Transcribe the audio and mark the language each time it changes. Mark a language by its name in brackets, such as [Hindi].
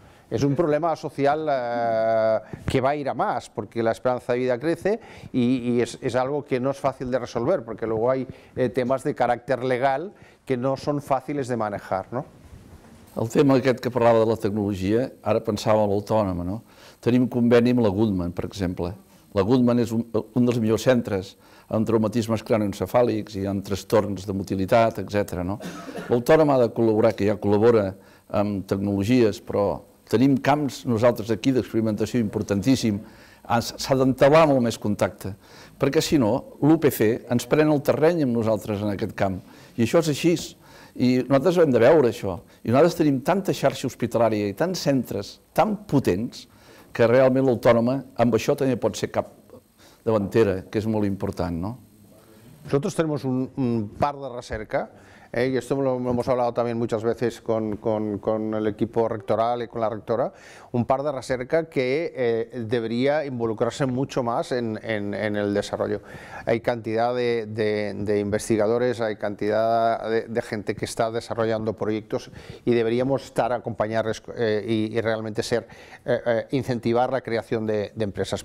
[Spanish] Es un problema social que va a ir a más, porque la esperanza de vida crece y es algo que no es fácil de resolver, porque luego hay temas de carácter legal que no son fáciles de manejar, ¿no? [Catalan] El tema aquest que parlava de la tecnologia, ara pensava en l'autònoma, no? Tenim conveni amb la Goodman, per exemple. La Goodman és un dels millors centres en traumatismes cranioencefàlics i en trastorns de motilitat, etc. No? L'autònoma ha de col·laborar, que ja col·labora amb tecnologies, però tenim camps nosaltres aquí d'experimentació importantíssim. S'ha d'entablar molt més contacte, perquè si no, l'UPC ens pren el terreny amb nosaltres en aquest camp. I això és així. I nosaltres hem de veure això. I nosaltres tenim tanta xarxa hospitalària i tants centres tan potents que realment l'autònoma amb això també pot ser cap davantera, que és molt important, no? [Spanish] Nosotros tenemos un par de recerca, y esto lo hemos hablado también muchas veces con el equipo rectoral y con la rectora, un par de recerca que debería involucrarse mucho más en el desarrollo. Hay cantidad de investigadores, hay cantidad de gente que está desarrollando proyectos y deberíamos estar acompañarles y realmente ser incentivar la creación de empresas.